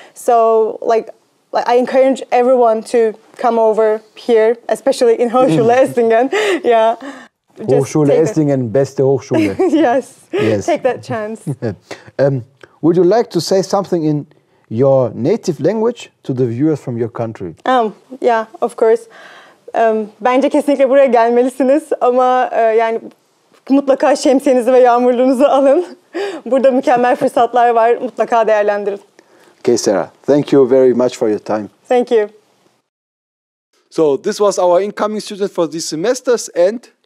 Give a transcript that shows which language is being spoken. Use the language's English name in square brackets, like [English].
[English] So like I encourage everyone to come over here, especially in Hochschule Esslingen. Yeah. [German] Hochschule Esslingen, beste Hochschule. [English] Yes. Yes, take that chance. Would you like to say something in your native language to the viewers from your country? Yeah, of course. [Turkish] Bence kesinlikle buraya gelmelisiniz ama yani mutlaka şemsiyenizi ve yağmurluğunuzu alın. Burada mükemmel fırsatlar var, mutlaka değerlendirin. [English] Okay, Sarah, thank you very much for your time. Thank you. So this was our incoming student for this semester and